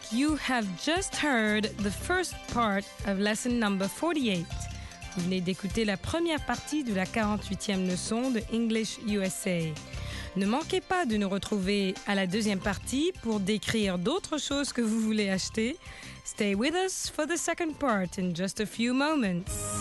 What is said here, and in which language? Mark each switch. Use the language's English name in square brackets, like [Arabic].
[English] You have just heard the first part of lesson number 48. [French] Vous venez d'écouter la première partie de la 48e leçon de English USA. Ne manquez pas de nous retrouver à la deuxième partie pour décrire d'autres choses que vous voulez acheter. [English] Stay with us for the second part in just a few moments.